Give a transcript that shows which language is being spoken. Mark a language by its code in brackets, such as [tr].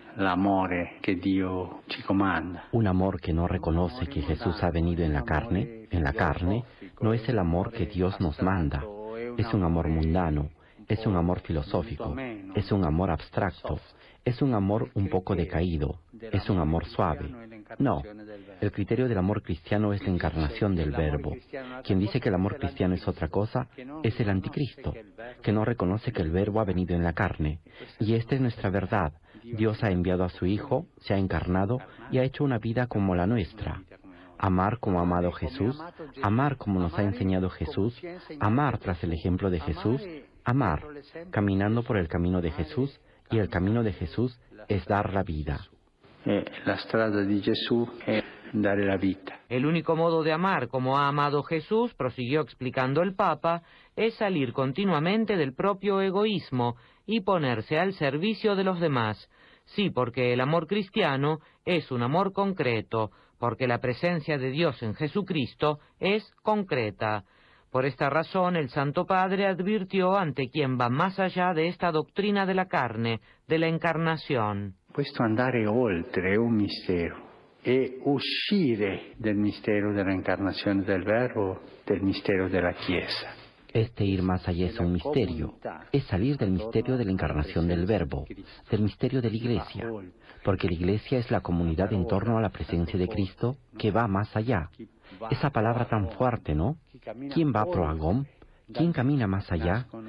[it] L'amore che Dio ci comanda. [es] Un amor que no reconoce que Jesús ha venido en la carne, no es el amor que Dios nos manda. Es un amor mundano, es un amor filosófico, es un amor abstracto, es un amor un poco decaído, es un amor suave. No, el criterio del amor cristiano es la encarnación del Verbo. Quien dice que el amor cristiano es otra cosa, es el anticristo, que no reconoce que el Verbo ha venido en la carne. Y esta es nuestra verdad. Dios ha enviado a su Hijo, se ha encarnado y ha hecho una vida como la nuestra. Amar como ha amado Jesús, amar como nos ha enseñado Jesús, amar tras el ejemplo de Jesús, amar, caminando por el camino de Jesús, y el camino de Jesús es dar la vida. [it] La strada di Gesù è dare la vita. [es] El único modo de amar como ha amado Jesús, prosiguió explicando el Papa, es salir continuamente del propio egoísmo y ponerse al servicio de los demás. Sí, porque el amor cristiano es un amor concreto, porque la presencia de Dios en Jesucristo es concreta. Por esta razón, el Santo Padre advirtió ante quien va más allá de esta doctrina de la carne, de la encarnación. [it] Puesto andare oltre un mistero, e uscire del mistero della incarnazione del Verbo, del mistero della Chiesa. [es] Este ir más allá es un misterio, es salir del misterio de la encarnación del Verbo, del misterio de la Iglesia, porque la Iglesia es la comunidad en torno a la presencia de Cristo que va más allá. Esa palabra tan fuerte, ¿no? ¿Quién va pro agón? ¿Quién camina más allá?